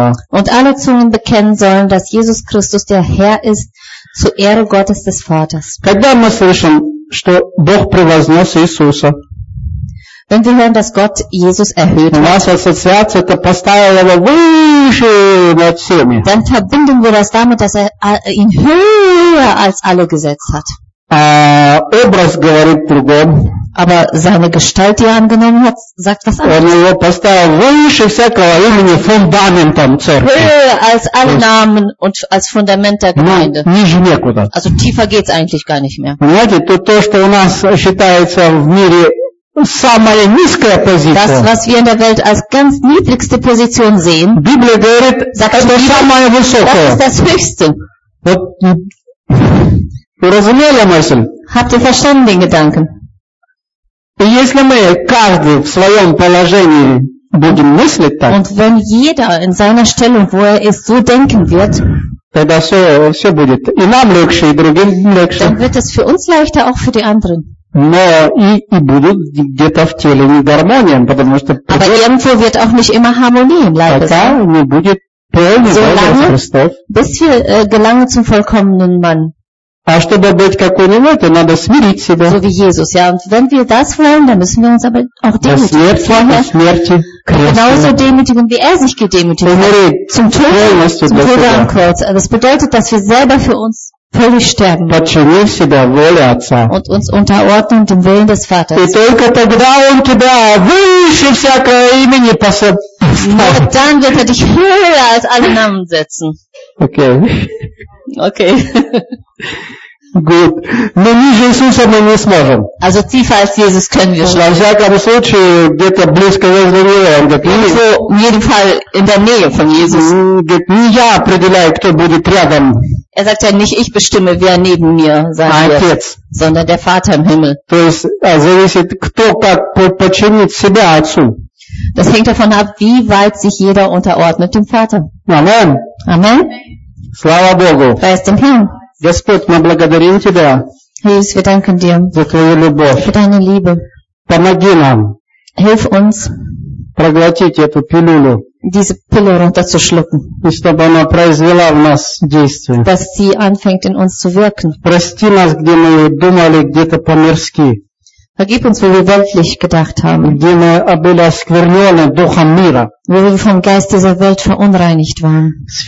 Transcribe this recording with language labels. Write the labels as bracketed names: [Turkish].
[German] Und alle Zungen bekennen sollen, dass Jesus Christus der Herr ist, zu Ehre Gottes des Vaters. [Russian] Когда мы слышим, что Бог превознес Иисуса, [German] wenn wir hören, dass Gott Jesus erhöht hat, [Russian] наша ассоциация это поставила его выше над всеми. [German] Dann verbinden wir das damit, dass er ihn höher als alle gesetzt hat. [Russian] Образ говорит другом. [German] Aber seine Gestalt, die er angenommen hat, sagt was anderes. [Russian] Он его поставил выше всякого имени фундаментом церкви. [German] Als alle Namen und als Fundament der Gemeinde. [Russian] Ниже некуда. [German] Also tiefer geht's eigentlich gar nicht mehr. [Russian] Понимаете, то, что у нас считается в мире самая низкая позиция. [German] Das, was wir in der Welt als ganz niedrigste Position sehen. [Russian] Библия говорит, это самое высокое. [German] Das ist das Höchste. [Russian] Вот. Вы разумели мысль? [German] Habt ihr verstanden den Gedanken? [Russian] И если мы каждый в своем положении будем мыслить так, [German] und wenn jeder in seiner Stellung, wo er ist, so denken wird, [Russian] тогда все будет и нам легче, и другим легче. [German] Dann wird es für uns leichter, auch für die anderen. [Russian] Но и будут где-то в теле не гармонии, потому что [German] aber irgendwo wird auch nicht immer Harmonie im Leib sein. [Russian] Не будет полный Солнце Христов. [German] Bis wir gelangen zum vollkommenen Mann. [Russian] А чтобы быть как у него, то надо смирить себя. [German] So wie Jesus, ja. Und wenn wir das wollen, dann müssen wir uns aber auch demütigen. Genauso demütigen, wie er sich gedemütigt hat. Zum Tod, zum Tod am Kreuz. Das bedeutet, dass wir selber für uns völlig sterben. [Russian] Подчинив себя воле Отца. [German] Und uns unterordnen dem Willen des Vaters. [Russian] И только тогда он тебя выше всякого имени поставит. [German] Nur dann wird er dich höher als alle Namen setzen. Okay. Okay. Gut. [Russian] Но ниже Иисуса мы не сможем. [German] Also tiefer als Jesus können wir schon. [Russian] Во всяком случае, где-то близко возле него. Он говорит, [German] so, in jedem Fall in der Nähe von Jesus. [Russian] Говорит, не я определяю, кто будет рядом. [German] Er sagt ja nicht, ich bestimme, wer neben mir sein wird, jetzt. Sondern der Vater im Himmel. [Russian] То есть, зависит, кто как подчинит себя Отцу. [German] Das hängt davon ab, wie weit sich jeder unterordnet dem Vater. Amen. Amen. [Russian] Слава Богу. [English] Praise the Lord. [Russian] Господь, мы благодарим Тебя. [German] Jesus, wir danken dir. [Russian] За Твою любовь. [German] Für deine Liebe. [Russian] Помоги нам. [German] Hilf uns. [Russian] Проглотить эту пилюлю. [German] Diese Pille runterzuschlucken. [Russian] И чтобы она произвела в нас действие. [German] Dass sie anfängt in uns zu wirken. [Russian] Прости нас, где мы думали где-то по-мирски. [German] Vergib uns, wie wir weltlich gedacht haben. Wie wir vom Geist dieser Welt verunreinigt waren.